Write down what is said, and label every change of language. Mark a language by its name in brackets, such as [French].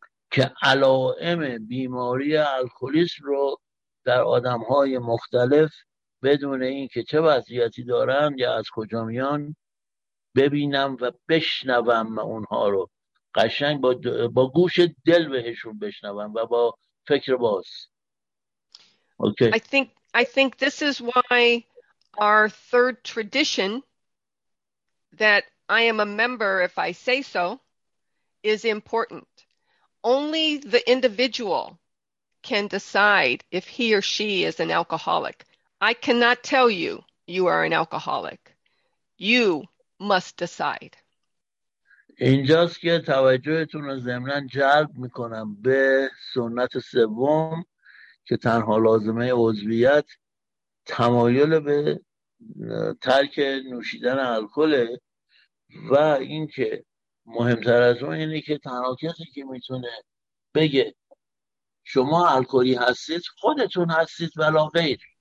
[Persian] که علائم بیماری الکلیسم رو در آدم‌های مختلف بدون اینکه چه وضعیتی دارن یا از کجا میان ببینم و بشنوم اونها رو، قشنگ با گوش دل بهشون بشنوم و با فکر باز. [English] Okay. I think this is why our third tradition that I am a member if I say so is important. Only the individual can decide if he or she is an alcoholic. I cannot tell you you are an alcoholic. You must decide. [Persian] اینجاست که توجهتون رو ضمناً جلب میکنم به سنت سوم که تنها لازمه عضویت تمایل به ترک نوشیدن الکل و اینکه مهمتر از اون اینه که تنها کسی که میتونه بگه شما الکلی هستید خودتون هستید ولا غیر.